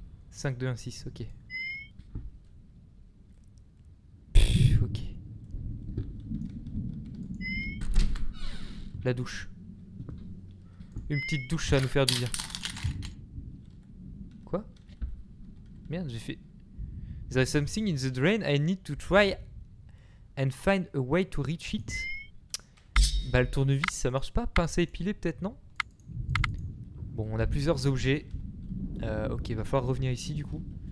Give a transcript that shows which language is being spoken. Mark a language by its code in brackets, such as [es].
[fr] 5, 2, 1, 6, ok. La douche. Une petite douche, ça va nous faire du bien. Quoi? Merde, j'ai fait... [en] There is something in the drain, I need to try and find a way to reach it. [fr] Bah, le tournevis, ça marche pas. Pince à épiler, peut-être, non? Bon, on a plusieurs objets. Ok, va falloir revenir ici, du coup.